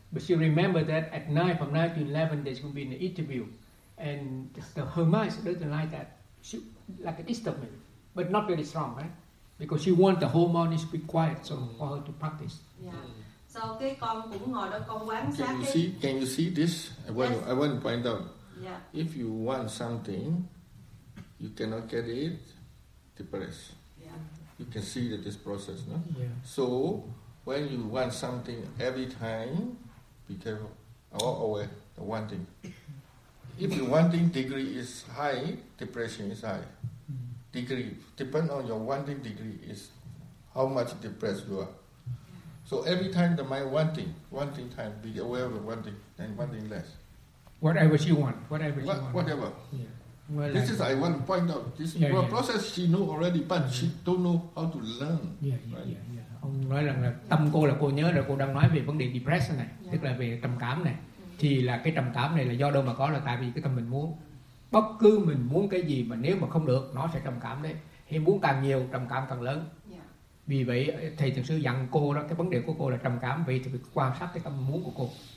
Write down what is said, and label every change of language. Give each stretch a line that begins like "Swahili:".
English: But she remember that at 9, from 9 to 11, there's going to be an interview. And the, her mind doesn't like that. She, like a disturbance, but not very strong, right? Because she wants the whole morning to be quiet so for her to practice. Yeah.
Vietnamese: So, okay, con cũng ngồi đó, con quán sát
English: can, you see, can you see this? I want to point out. Yeah. If you want something, you cannot get it, depressed. Yeah. You can see that this process, no? Yeah. So, when you want something every time, be careful. Or aware, the one thing. If the wanting degree is high, depression is high. Degree, depend on your wanting degree is how much depressed you are. So every time the mind wanting, wanting time, be aware of the wanting, and wanting less. Whatever she want, whatever she what, want. Whatever. Yeah. Well, this is, I want to point out, this is a process she know already, but she don't know how to learn.
Vietnamese: Ông nói rằng là tâm cô là cô nhớ rồi, cô đang nói về vấn đề depression này, tức là về trầm cảm này. Thì là cái trầm cảm này là do đâu mà có, là tại vì cái tâm mình muốn. Bất cứ mình muốn cái gì mà nếu mà không được, nó sẽ trầm cảm đấy. Thì muốn càng nhiều, trầm cảm càng lớn. Vì vậy, thầy thường sư dặn cô đó, cái vấn đề của cô là trầm cảm, vì thì phải quan sát cái tâm muốn của cô.